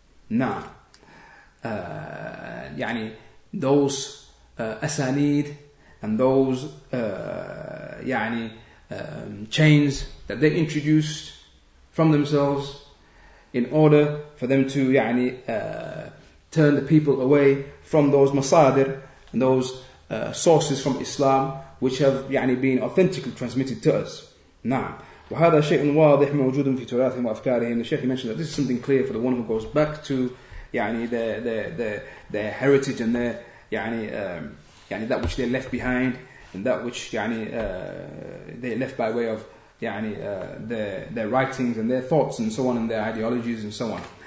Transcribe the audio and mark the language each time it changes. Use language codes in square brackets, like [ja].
[en] Now, يعني those asanid and those يعني chains that they introduced from themselves in order for them to يعني turn the people away from those masadir and those sources from Islam which have يعني been authentically transmitted to us. [ar] Now, وهذا شيء واضح موجود في تراثهم وأفكارهم. [en] The Shaykh mentioned that this is something clear for the one who goes back to يعني their heritage and their يعني يعني that which they left behind and that which يعني they left by way of يعني their writings and their thoughts and so on and their ideologies and so on.